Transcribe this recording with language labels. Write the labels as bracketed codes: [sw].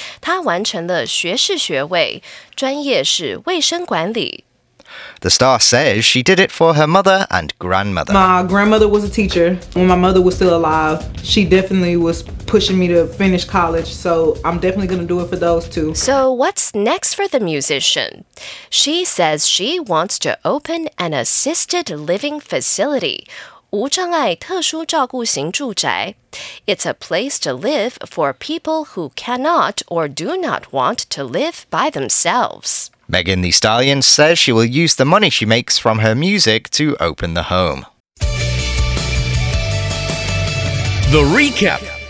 [zh] 她完成了学士学位，专业是卫生管理。 [en] The star says she did it for her mother and grandmother. My grandmother was a teacher when my mother was still alive. She definitely was pushing me to finish college, so I'm definitely going to do it for those two. So what's next for the musician? She says she wants to open an assisted living facility. [zh] 无障碍特殊照顾型住宅。 [en] It's a place to live for people who cannot or do not want to live by themselves. Megan Thee Stallion says she will use the money she makes from her music to open the home. The recap.